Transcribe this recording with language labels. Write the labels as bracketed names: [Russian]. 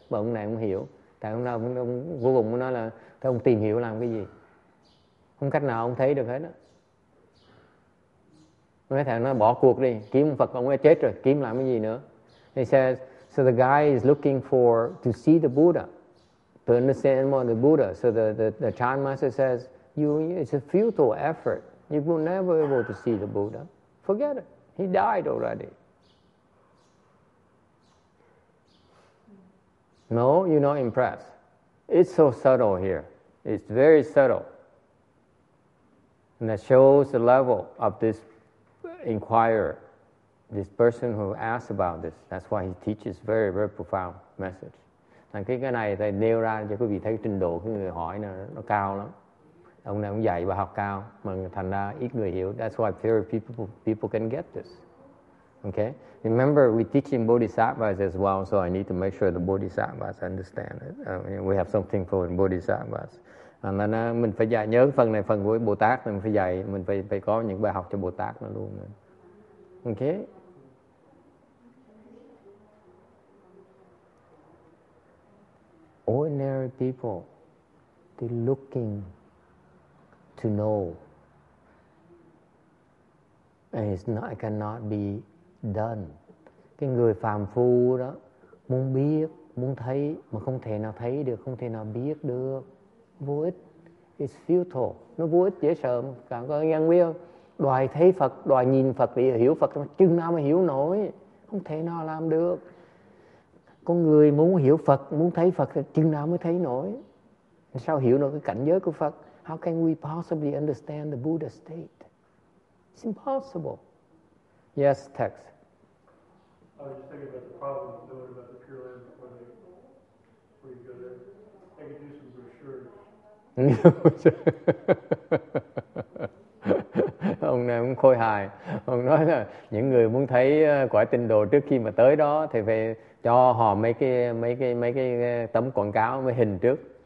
[Vietnamese] Mà ông này không hiểu, tại ông nào cũng vô cùng nói là thế ông tìm hiểu làm cái gì, không cách nào ông thấy được hết đó. Nói thằng nó bỏ cuộc đi, kiếm Phật ông ấy chết rồi, kiếm làm cái gì nữa. [English] He says, so the guy is looking for to see the Buddha, to understand more the Buddha. So the Chan master says, it's a futile effort. You will never be able to see the Buddha. Forget it. He died already. No, you're not impressed. It's so subtle here. It's very subtle. And that shows the level of this inquirer. This person who asked about this, that's why he teaches very, very profound message. [Vietnamese] Thằng cái này thầy nêu ra cho quý vị thấy trình độ cái người hỏi nó cao lắm. Ông này cũng dạy và học cao, mà thành ra ít người hiểu. [English] That's why very people can get this. Okay? Remember, we're teaching bodhisattvas as well, so I need to make sure the bodhisattvas understand it. We have something for the bodhisattvas. And then, [Vietnamese] mình phải dạy, nhớ phần này, phần của Bồ Tát, mình phải dạy, mình phải có những bài học cho Bồ Tát nó luôn. [English] Okay. Ordinary people, they're looking to know, and it cannot be done. [Vietnamese] Cái người phàm phu đó muốn biết, muốn thấy mà không thể nào thấy được, không thể nào biết được, vô ích. [English] It's futile. [Vietnamese] Nó vô ích dễ sợ. Cảm ơn nhân viên. Đòi thấy Phật, đòi nhìn Phật để hiểu Phật, chừng nào mà hiểu nổi, không thể nào làm được. Con người muốn hiểu Phật, muốn thấy Phật, chừng nào mới thấy nổi. Sao hiểu nổi cái cảnh giới của Phật? [English] How can we possibly understand the Buddha state? It's impossible. Yes, text. I was just thinking about the problem with knowing about the Pure Land before you go there. I could do some brochures. [Vietnamese] Ông này cũng khôi hài. Ông nói là những người muốn thấy quả tịnh độ trước khi mà tới đó thì phải cho họ mấy cái tấm quảng cáo, mấy hình trước.